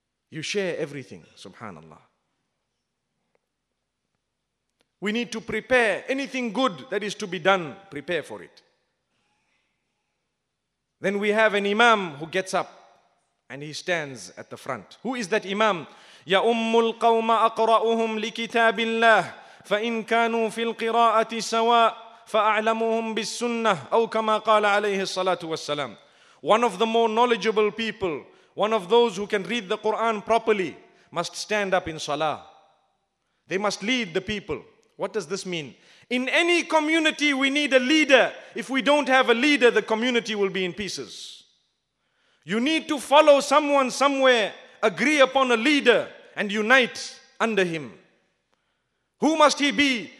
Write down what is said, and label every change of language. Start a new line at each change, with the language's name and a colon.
English: You share everything, subhanallah. We need to prepare anything good that is to be done, prepare for it. Then we have an imam who gets up and he stands at the front. Who is that imam?
Arabic: يا أم القوم أقرأهم لكتاب الله فإن كانوا في القراءة سواء فأعلمهم بالسنة أو كما قال عليه الصلاة والسلام.
English: One of the more knowledgeable people, one of those who can read the Quran properly, must stand up in salah. They must lead the people. What does this mean? In any community, we need a leader. If we don't have a leader, the community will be in pieces. You need to follow someone somewhere, agree upon a leader, and unite under him. Who must he be?